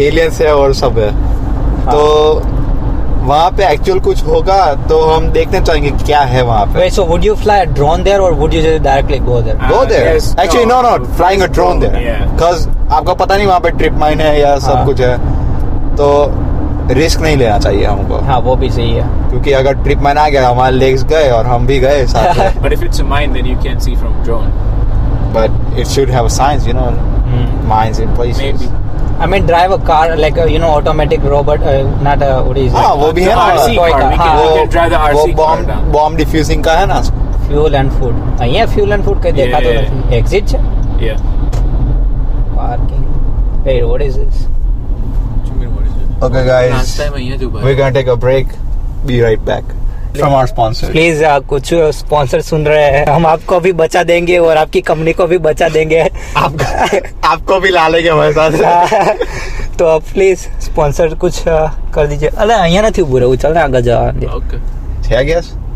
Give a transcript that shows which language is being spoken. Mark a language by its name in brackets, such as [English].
[Hindi] Aliens है और सब है तो वहाँ पे एक्चुअल कुछ होगा तो हम देखने चाहेंगे क्या है वहाँ पे. [English] Wait, so would you fly a drone there or would you just directly go there? Go there. Yes, actually, no. Flying a drone there. Because [Hindi] आपको पता नहीं वहाँ पे ट्रिप माइन है या सब कुछ है तो रिस्क नहीं लेना चाहिए हमको. हाँ, वो भी सही है. क्योंकि अगर ट्रिप माइन आ गया हमारे लेग्स गए और हम भी गए साथ में. [English] But if it's a mine, then you can't see from drone. But it should have signs, you know, mines in places. Maybe. I mean, drive a car like a, you know, automatic robot, not a, what is it? [Hindi] Ah, वो भी है [English] ना. RC car. We can drive the RC car. [Hindi] वो bomb defusing का है ना. [English] Fuel and food. [Hindi] ये [English] fuel and food [Hindi] कहते हैं. [English] Exit. Yeah. Parking. Wait, what is this? What do you mean, what is it? Okay, guys. Last time I went to Dubai. We're gonna take a break. Be right back. from our sponsors. Please, [Hindi] कुछ sponsor सुन रहे हैं, हम आपको भी बचा देंगे और आपकी कंपनी को भी बचा देंगे. आपको भी ला लेंगे हमारे साथ. तो आप प्लीज स्पॉन्सर कुछ कर दीजिए. अरे यहाँ ना थी बुरा, वो चल रहा है गजा. ओके ठीक है गैस.